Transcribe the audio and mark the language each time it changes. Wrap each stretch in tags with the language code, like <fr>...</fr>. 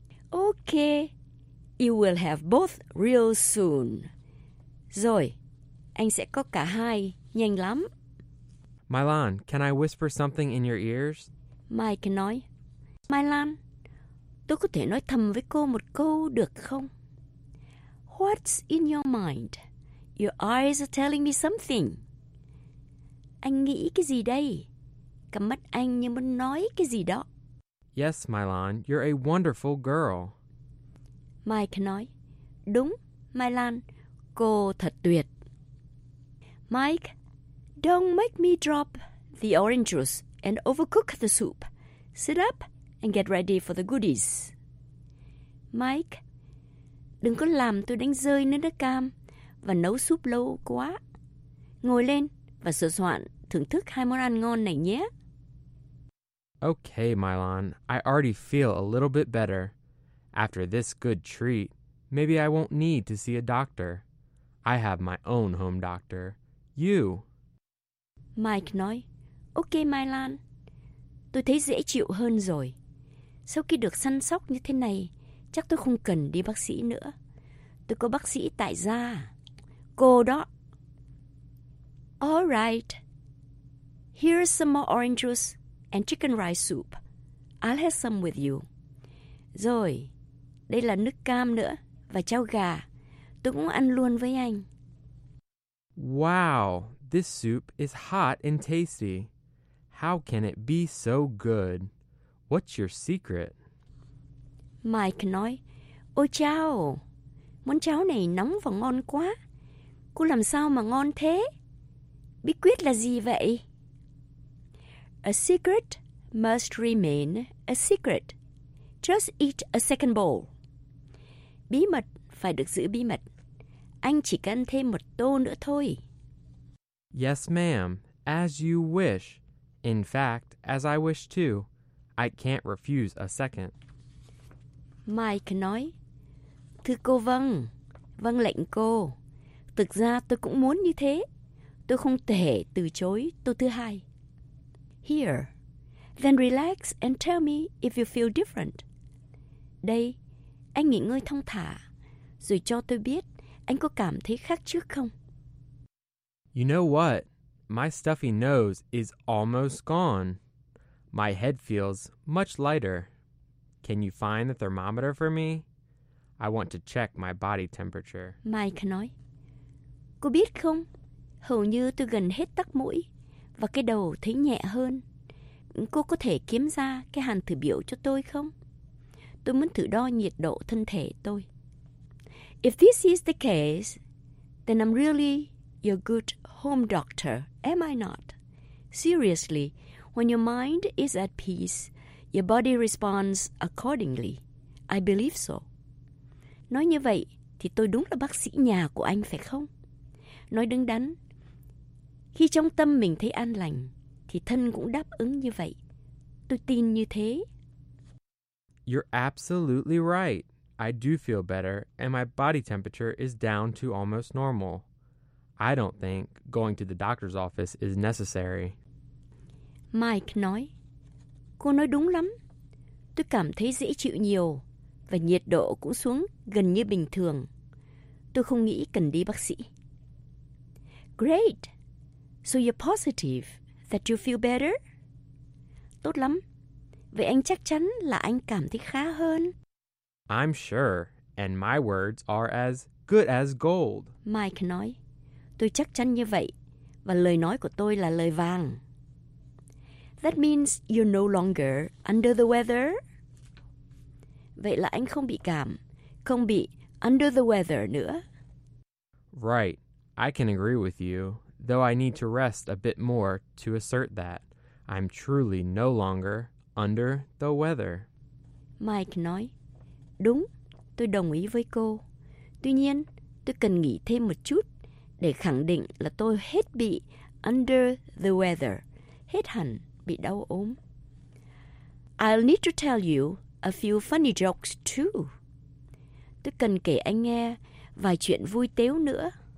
<en>Okay, you will have both real soon.</en> <vi>Rồi, anh sẽ có cả hai, nhanh lắm.</vi> <en>Mylon, can I whisper something in your ears?</en> <vi>Mike nói, Mylon, tôi có thể nói thầm với cô một câu được không?</vi> <en>What's in your mind? Your eyes are telling me something.</en> <vi>Anh nghĩ cái gì đây? Cặp mắt anh như muốn nói cái gì đó.</vi> <en>Yes, Mylon, you're a wonderful girl.</en> <vi>Mike nói, đúng, Mylon, cô thật tuyệt.</vi> <en>Mike, don't make me drop the orange juice and overcook the soup. Sit up and get ready for the goodies.</en> <vi>Mike, đừng có làm tôi đánh rơi nước cam và nấu súp lâu quá. Ngồi lên và sửa soạn thưởng thức hai món ăn ngon này nhé.</vi> <en>Okay, Mylon, I already feel a little bit better. After this good treat, maybe I won't need to see a doctor. I have my own home doctor. You.</en> <vi>Mike nói, okay, Mylon, tôi thấy dễ chịu hơn rồi. Sau khi được săn sóc như thế này, chắc tôi không cần đi bác sĩ nữa. Tôi có bác sĩ tại gia. Cô đó.</vi> <en>All right. Here's some more orange juice and chicken rice soup. I'll have some with you.</en> <vi>Rồi, đây là nước cam nữa và cháo gà. Tôi cũng ăn luôn với anh.</vi> <en>Wow, this soup is hot and tasty. How can it be so good? What's your secret?</en> <vi>Mike nói, ôi chao, món cháo này nóng và ngon quá. Cô làm sao mà ngon thế? Bí quyết là gì vậy?</vi> <en>A secret must remain a secret. Just eat a second bowl.</en> <vi>Bí mật phải được giữ bí mật. Anh chỉ cần thêm một tô nữa thôi.</vi> <en>Yes, ma'am. As you wish. In fact, as I wish too. I can't refuse a second.</en> <vi>Mike nói, thưa cô vâng, vâng lệnh cô. Thực ra tôi cũng muốn như thế. Tôi không thể từ chối tô thứ hai.</vi> <en>Here. Then relax and tell me if you feel different.</en> <vi>Đây, anh nghỉ ngơi thong thả, rồi cho tôi biết anh có cảm thấy khác trước không?</vi> <en>You know what? My stuffy nose is almost gone. My head feels much lighter. Can you find the thermometer for me? I want to check my body temperature.</en> <vi>Mike nói, cô biết không? Hầu như tôi gần hết tắc mũi và cái đầu thấy nhẹ hơn. hẳn cô có thể kiếm ra cái hàn thử biểu cho tôi không? Tôi muốn thử đo nhiệt độ thân thể tôi.</vi> <en>If this is the case, then I'm really your good home doctor, am I not? Seriously, when your mind is at peace, your body responds accordingly. I believe so.</en> <vi>Nói như vậy thì tôi đúng là bác sĩ nhà của anh phải không? Nói đứng đắn, khi trong tâm mình thấy an lành, thì thân cũng đáp ứng như vậy. Tôi tin như thế.</vi> <en>You're absolutely right. I do feel better, and my body temperature is down to almost normal. I don't think going to the doctor's office is necessary.</en> <vi>Mike nói, cô nói đúng lắm. Tôi cảm thấy dễ chịu nhiều, và nhiệt độ cũng xuống gần như bình thường. Tôi không nghĩ cần đi bác sĩ.</vi> <en>Great! So you're positive that you feel better?</en> <vi>Tốt lắm. Vậy anh chắc chắn là anh cảm thấy khá hơn.</vi> <en>I'm sure, and my words are as good as gold.</en> <vi>Mike nói, tôi chắc chắn như vậy, và lời nói của tôi là lời vàng.</vi> <en>That means you're no longer under the weather.</en> <vi>Vậy là anh không bị cảm, không bị</vi> <en>under the weather</en> <vi>nữa.</vi> <en>Right, I can agree with you, though I need to rest a bit more to assert that. I'm truly no longer under the weather.</en> <vi>Mike nói, đúng, tôi đồng ý với cô. Tuy nhiên, tôi cần nghỉ thêm một chút để khẳng định là tôi hết bị</vi> <en>under the weather,</en> <vi>hết hẳn bị đau ốm.</vi> <en>I'll need to tell you a few funny jokes too.</en> <vi>Tôi cần kể anh nghe vài chuyện vui tếu nữa.</vi>